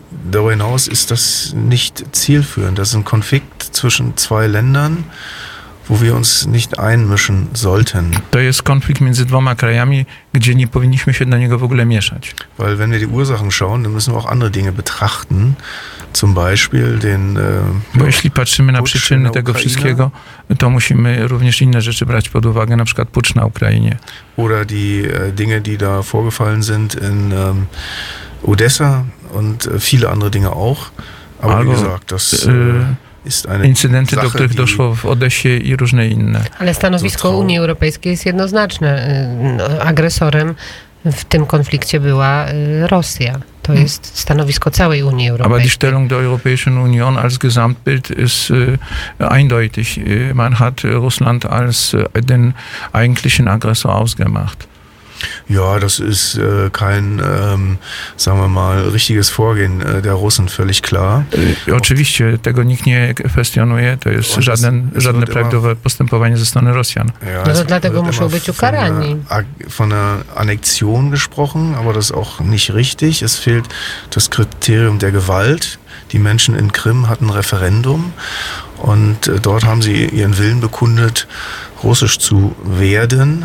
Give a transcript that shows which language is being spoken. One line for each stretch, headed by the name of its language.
German: Darüber hinaus ist das nicht zielführend. Das ist ein Konflikt zwischen zwei Ländern, wo wir uns nicht einmischen sollten.
Polish: To jest konflikt między dwoma krajami, gdzie nie powinniśmy się do niego w ogóle mieszać.
German: Weil wenn wir die Ursachen schauen, dann müssen wir auch andere Dinge betrachten. Zum Beispiel den
Polish: Bo jeśli patrzymy na przyczyny tego Ukraina, wszystkiego, to musimy również inne rzeczy brać pod uwagę, na przykład pucz na Ukrainie.
German: Oder die Dinge, die da vorgefallen sind in Odessa und viele andere Dinge auch. Aber wie gesagt, das
Polish: incydenty, do których doszło w Odesie i różne inne. Ale stanowisko Unii Europejskiej jest jednoznaczne. Agresorem w tym konflikcie była Rosja. To jest stanowisko całej Unii Europejskiej.
German: Aber die Stellung der Europäischen Union als Gesamtbild ist eindeutig. Man hat Russland als den eigentlichen Aggressor ausgemacht. Ja, das ist kein, sagen wir mal, richtiges Vorgehen der Russen, völlig klar.
Polish: Oczywiście, tego nikt nie kwestionuje, to jest żadne prawidłowe postępowanie ze strony Rosjan. Ja, no dlatego muszą być ukarani.
German: Von der Annexion gesprochen, aber das ist auch nicht richtig. Es fehlt das Kriterium der Gewalt. Die Menschen in Krim hatten ein Referendum und dort haben sie ihren Willen bekundet, Russisch zu werden.